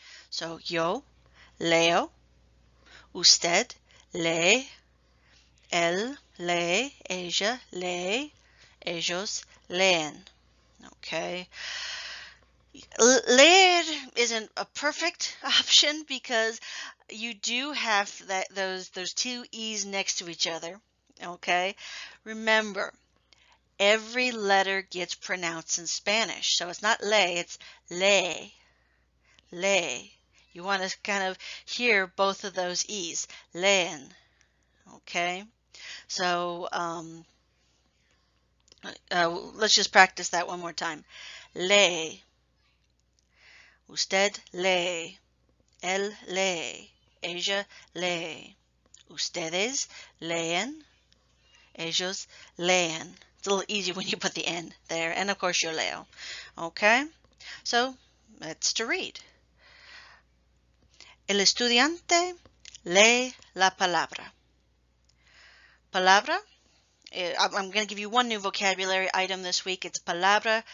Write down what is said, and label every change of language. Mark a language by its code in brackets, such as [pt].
[es] So, yo leo, usted lee, él lee, ella lee, ellos leen. [en] Okay, leer isn't a perfect option because you do have those two E's next to each other. Okay, remember, every letter gets pronounced in Spanish. So it's not le, it's le, le. You want to kind of hear both of those E's, leen, okay? So let's just practice that one more time. [es] Le, usted le, él le, ella le, ustedes leen, ellos leen. [en] It's a little easy when you put the N there. And of course, you're Leo. Okay? So, that's to read. [es] El estudiante lee la palabra. Palabra. [en] I'm going to give you one new vocabulary item this week. It's palabra.